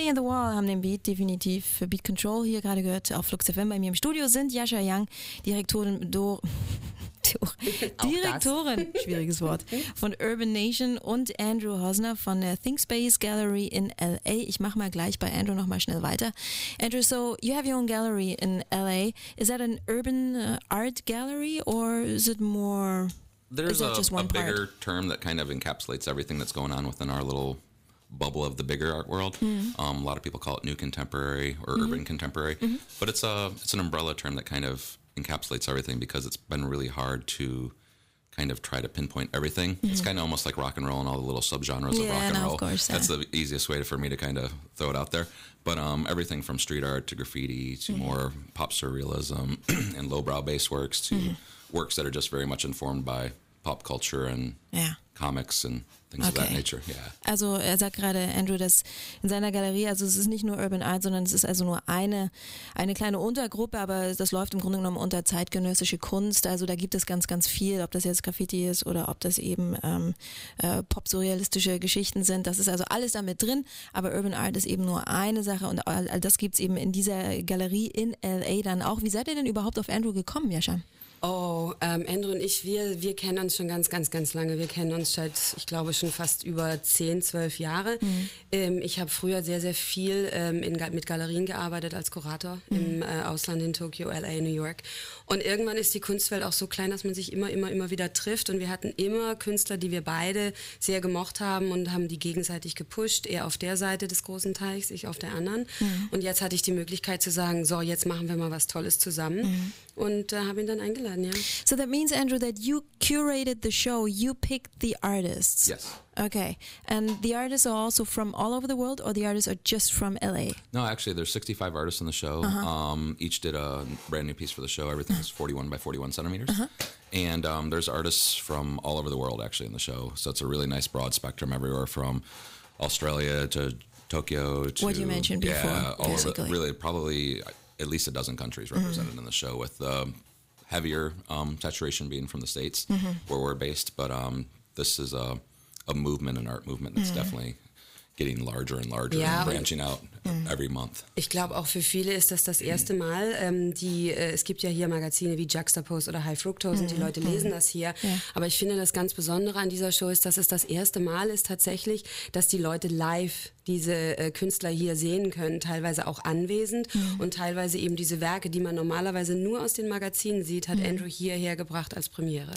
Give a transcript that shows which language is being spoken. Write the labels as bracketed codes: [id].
[de] Haben den Beat definitiv für Beat Control hier gerade gehört. Auf Flux FM bei mir im Studio sind Jascha Young, Direktorin, schwieriges Wort, von Urban Nation und Andrew Hosner von der ThinkSpace Gallery in LA. Ich mache mal gleich bei Andrew nochmal schnell weiter. [en] Andrew, so you have your own gallery in LA. Is that an urban art gallery or is it more... There's just one bigger term that kind of encapsulates everything that's going on within our little... bubble of the bigger art world. Mm-hmm. A lot of people call it new contemporary or urban contemporary, but it's an umbrella term that kind of encapsulates everything because it's been really hard to kind of try to pinpoint everything. Mm-hmm. It's kind of almost like rock and roll and all the little subgenres of rock and roll. Of course, that's the easiest way for me to kind of throw it out there. But everything from street art to graffiti to more pop surrealism and lowbrow based works to works that are just very much informed by pop culture and comics and things of that nature. Yeah. [de] Also er sagt gerade, Andrew, dass in seiner Galerie, also es ist nicht nur Urban Art, sondern es ist also nur eine kleine Untergruppe, aber das läuft im Grunde genommen unter zeitgenössische Kunst. Also da gibt es ganz, ganz viel, ob das jetzt Graffiti ist oder ob das eben pop-surrealistische Geschichten sind. Das ist also alles damit drin, aber Urban Art ist eben nur eine Sache und all das gibt es eben in dieser Galerie in L.A. dann auch. Wie seid ihr denn überhaupt auf Andrew gekommen, Jascha? Andrew und ich, wir kennen uns schon ganz, ganz, ganz lange. Wir kennen uns seit, ich glaube, schon fast über 10, 12 Jahre. Ich habe früher sehr, sehr viel mit Galerien gearbeitet als Kurator im Ausland in Tokio, LA, New York. Und irgendwann ist die Kunstwelt auch so klein, dass man sich immer wieder trifft. Und wir hatten immer Künstler, die wir beide sehr gemocht haben und haben die gegenseitig gepusht. Er auf der Seite des großen Teichs, ich auf der anderen. Und jetzt hatte ich die Möglichkeit zu sagen, so, jetzt machen wir mal was Tolles zusammen. Und habe ihn dann eingeladen, [en] So that means, Andrew, that you curated the show, you picked the artists. Yes. Okay. And the artists are also from all over the world or the artists are just from LA? No, actually, there's 65 artists in the show. Each did a brand new piece for the show. Everything is 41 by 41 centimeters. And there's artists from all over the world, actually, in the show. So it's a really nice broad spectrum everywhere from Australia to Tokyo to... What you mentioned before, all over the, really, probably... at least a dozen countries represented in the show, with the heavier saturation being from the States, where we're based. But this is a movement, an art movement that's definitely getting larger and larger and branching out every month. [de] Ich glaube auch für viele ist das das erste Mal. Es gibt ja hier Magazine wie Juxtapose oder High Fructose und die Leute lesen das hier. Ja. Aber ich finde das ganz Besondere an dieser Show ist, dass es das erste Mal ist tatsächlich, dass die Leute live diese Künstler hier sehen können, teilweise auch anwesend und teilweise eben diese Werke, die man normalerweise nur aus den Magazinen sieht, hat Andrew hierher gebracht als Premiere.